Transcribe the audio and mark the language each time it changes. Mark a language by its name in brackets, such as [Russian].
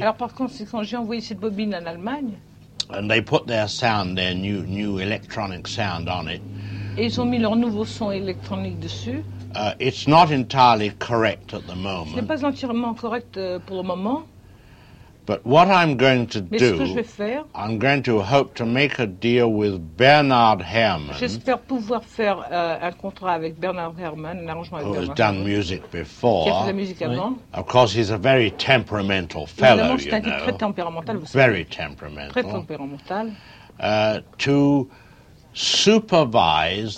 [French] Alors par contre, c'est quand j'ai envoyé cette bobine en Allemagne. [English] And they put their sound, their new electronic sound on it. [French] Et ils ont mis leur nouveau son électronique dessus. [English] It's not entirely correct at the moment. [French] Ce n'est pas entièrement correct pour le moment. [English] But what I'm going to do, [French] mais ce que je vais faire, [English] I'm going to hope to make a deal with Bernard Herrmann. [French] J'espère pouvoir faire un contrat avec Bernard Herrmann, un arrangement avec [English] who Bernard has done music before. [French] Qui a fait de la musique avant. [English] Of course, he's a very temperamental fellow, [French] c'est [English] you know. [French] Très tempéramental, vous [English] very Temperamental. [French] Très tempéramental. [English] To supervise